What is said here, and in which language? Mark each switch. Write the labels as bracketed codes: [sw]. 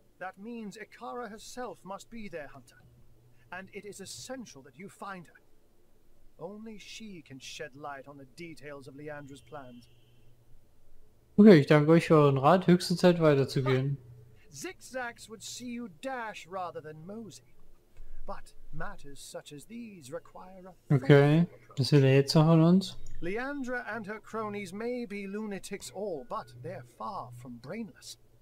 [en] That means Ikara herself must be there, Hunter. And it is essential that you find her. Only she can shed light on the details of Leandra's plans. [de] Okay, ich danke euch für euren Rat. Höchste Zeit weiterzugehen. [en] Zigzags would see you dash rather than mosey. But matters such as these require a... [de] Okay, was will er jetzt noch von uns? [en] Leandra and her cronies may be lunatics all, but they're far from brainless.